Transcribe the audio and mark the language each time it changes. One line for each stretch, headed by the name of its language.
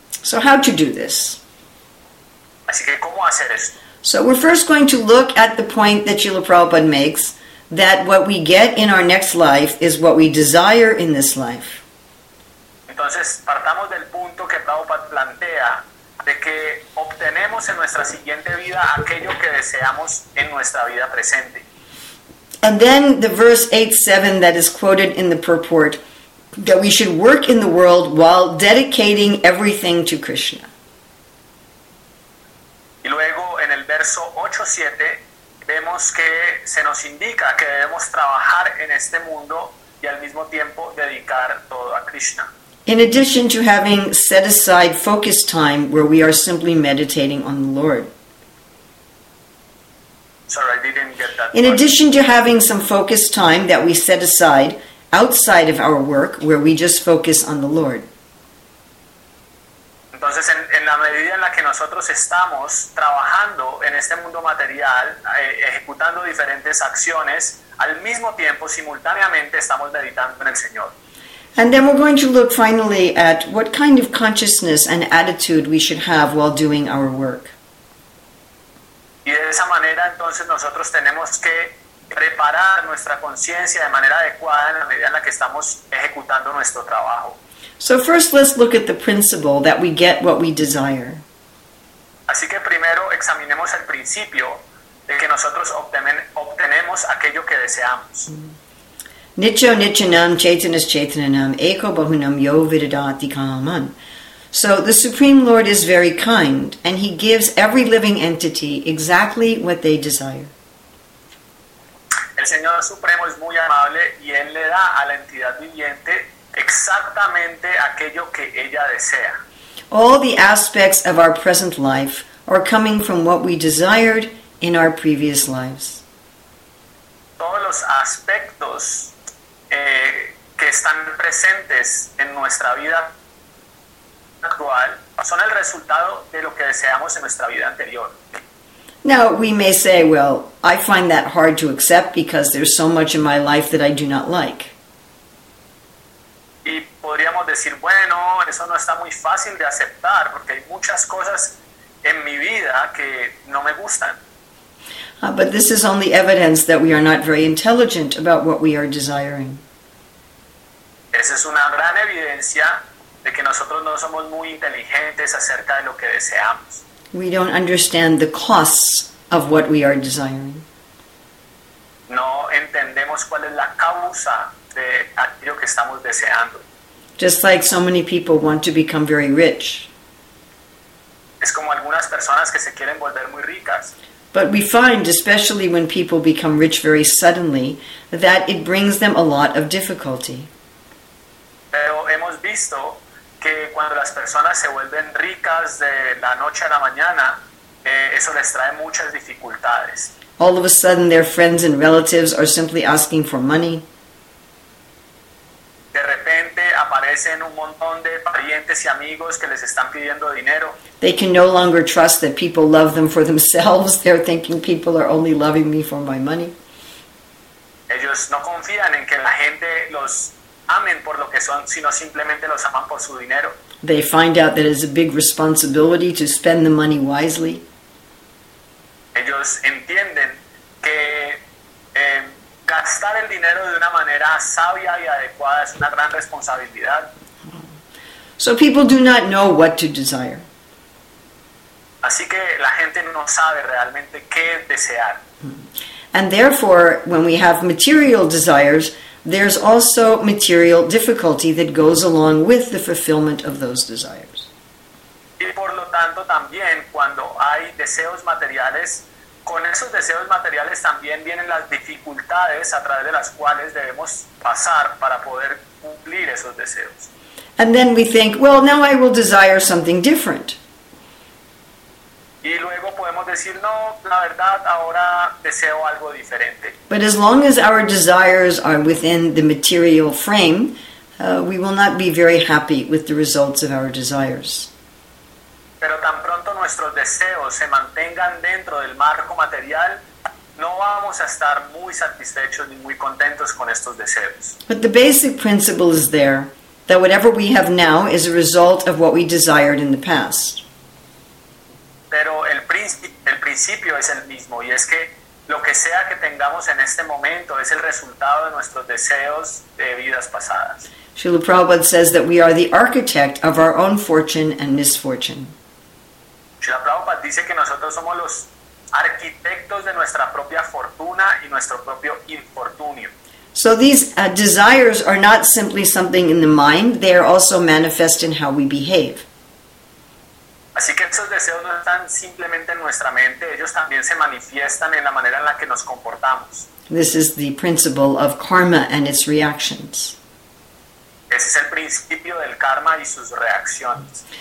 English: So how to do this?
Spanish: Así que, ¿cómo hacer esto?
English: So we're first going to look at the point that Srila Prabhupada makes, that what we get in our next life is what we desire in this life.
Spanish: Entonces, partamos del punto que Prabhupada plantea, de que obtenemos en nuestra siguiente vida aquello que deseamos en nuestra vida presente.
English: And then the verse 8-7 that is quoted in the purport, that we should work in the world while dedicating everything to Krishna.
Spanish: Y luego en el verso 8-7 vemos que se nos indica que debemos trabajar en este mundo y al mismo tiempo dedicar todo a Krishna.
English: In addition to having set aside focus time where we are simply meditating on the Lord. Sorry, I didn't get that. In addition to having some focus time that we set aside outside of our work where we just focus on the Lord.
Spanish: Entonces, en la medida en la que nosotros estamos trabajando en este mundo material, ejecutando diferentes acciones, al mismo tiempo, simultáneamente, estamos meditando en el Señor.
English: And then we're going to look finally at what kind of consciousness and attitude we should have while doing our work.
Spanish: Y de esa manera, entonces, nosotros tenemos que preparar nuestra conciencia de manera adecuada en la medida en la que estamos ejecutando nuestro trabajo.
English: So first, let's look at the principle that we get what we desire.
Spanish: Así que primero examinemos el principio de que nosotros obtenemos aquello que deseamos.
Sanskrit: Nicho nichanam chaitanas chaitananam eko bahunam yo vidadati kamam.
English: So the Supreme Lord is very kind, and he gives every living entity exactly what they desire.
Spanish: El Señor Supremo es muy amable y él le da a la entidad viviente exactamente aquello que ella desea.
English: All the aspects of our present life are coming from what we desired in our previous lives.
Spanish: Todos los aspectos que están presentes en nuestra vida actual son el resultado de lo que deseamos en nuestra vida anterior.
English: Now we may say, well, I find that hard to accept because there's so much in my life that I do not like.
Spanish: Y podríamos decir, bueno, eso no está muy fácil de aceptar porque hay muchas cosas en mi vida que no me gustan.
English: But this is only evidence that we are not very intelligent about what we are desiring.
Spanish: Esa es una gran evidencia de que nosotros no somos muy inteligentes acerca de lo que deseamos.
English: We don't understand the costs of what we are desiring.
Spanish: No entendemos cuál es la causa de aquello que estamos deseando.
English: Just like so many people want to become very rich.
Spanish: Es como algunas personas que se quieren volver muy ricas.
English: But we find, especially when people become rich very suddenly, that it brings them a lot of difficulty.
Spanish: Pero hemos visto que cuando las personas se vuelven ricas de la noche a la mañana, eso les trae muchas dificultades.
English: All of a sudden, their friends and relatives are simply asking for money.
Spanish: De repente aparecen un montón de parientes y amigos que les están pidiendo dinero.
English: They can no longer trust that people love them for themselves. They're thinking people are only loving me for my money.
Spanish: Ellos no confían en que la gente los amen por lo que son, sino simplemente los aman por su dinero.
English: They find out that it's a big responsibility to spend the money wisely.
Spanish: Ellos entienden que gastar el dinero de una manera sabia y adecuada es una gran responsabilidad.
English: So people do not know what to desire.
Spanish: Así que la gente no sabe realmente qué desear.
English: And therefore, when we have material desires, there's also material difficulty that goes along with the fulfillment of those desires.
Spanish: Y por lo tanto, también cuando hay deseos materiales, con esos deseos materiales también vienen las dificultades a través de las cuales debemos pasar para poder cumplir esos deseos.
English: And then we think, well, now I will desire something different.
Spanish: Y luego podemos decir, no, la verdad, ahora deseo algo diferente.
English: But as long as our desires are within the material frame, we will not be very happy with the results of our desires.
Spanish: Pero tan pronto nuestros deseos se mantengan dentro del marco material, no vamos a estar muy satisfechos ni muy contentos con estos deseos.
English: But the basic principle is there, that whatever we have now is a result of what we desired in the past.
Spanish: Pero el principio es el mismo, y es que lo que sea que tengamos en este momento es el resultado de nuestros deseos de vidas pasadas.
English: Srila Prabhupada says that we are the architect of our own fortune and misfortune.
Spanish: Srila Prabhupada dice que nosotros somos los arquitectos de nuestra propia fortuna y nuestro propio infortunio.
English: So these desires are not simply something in the mind, they are also manifest in how we behave.
Spanish: Así que esos deseos no están simplemente en nuestra mente, ellos también se manifiestan en la manera en la que nos comportamos.
English: This is the principle of karma and its reactions.
Spanish: Ese es el principio del karma y sus reacciones.